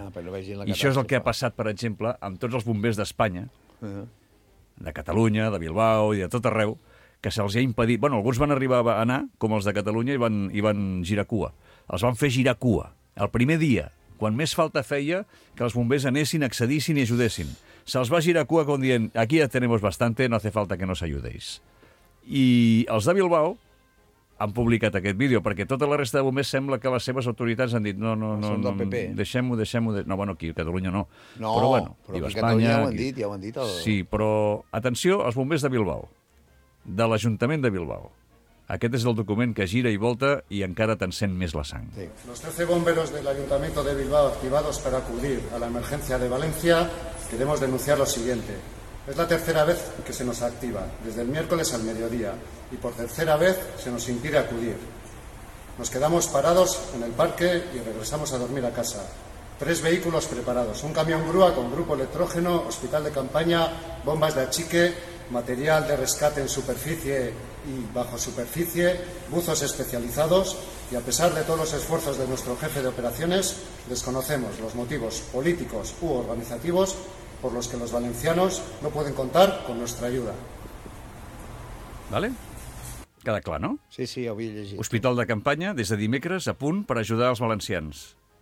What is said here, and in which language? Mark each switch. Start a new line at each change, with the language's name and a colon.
Catalan: I això és el que ha passat, per exemple, amb tots els bombers d'Espanya, de Catalunya, de Bilbao i de tot arreu, que se'ls ha impedit... Bueno, alguns van arribar a anar, com els de Catalunya, i van girar cua. Els van fer girar cua. El primer dia, quan més falta feia que els bombers anessin, accedissin i ajudessin. Se'ls va girar cua com dient aquí ja
Spanish: tenemos bastante, no hace falta que nos ayudéis.
Catalan: I els de Bilbao han publicat aquest vídeo, perquè tota la resta de bombers sembla que les seves autoritats han dit no, deixem-ho. No, bueno, aquí a Catalunya no. No, però, bueno, però i a Espanya, Catalunya ja ho han dit. Ja ho han dit Sí, però atenció als bombers de Bilbao. De l'Ajuntament de Bilbao. Aquest és el document que gira i volta i encara t'encén més la sang. Sí.
Spanish: Los 13 bomberos del Ayuntamiento de Bilbao activados para acudir a la emergencia de Valencia, queremos denunciar lo siguiente. Es la tercera vez que se nos activa, desde el miércoles al mediodía, y por tercera vez se nos impide acudir. Nos quedamos parados en el parque y regresamos a dormir a casa. 3 vehículos preparados, un camión grúa con grupo electrógeno, hospital de campaña, bombas de achique, material de rescate en superficie y bajo superficie, buzos especializados, y a pesar de todos los esfuerzos de nuestro jefe de operaciones, desconocemos los motivos políticos u organizativos por los que los valencianos no pueden contar con nuestra ayuda.
Catalan: ¿Vale? Queda clar, no? Sí, sí, ho havia llegit. Hospital de campanya, des de dimecres, a punt per ajudar els valencians.